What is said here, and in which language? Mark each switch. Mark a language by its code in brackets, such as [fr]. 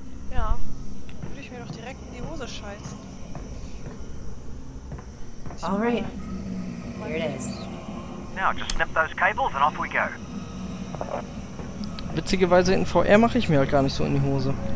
[de] Ja, würde ich mir doch direkt in die Hose scheißen. [en] All right. Here it is. Now just snap those cables and off we go. [de] Witzigerweise in VR mache ich mir halt gar nicht so in die Hose.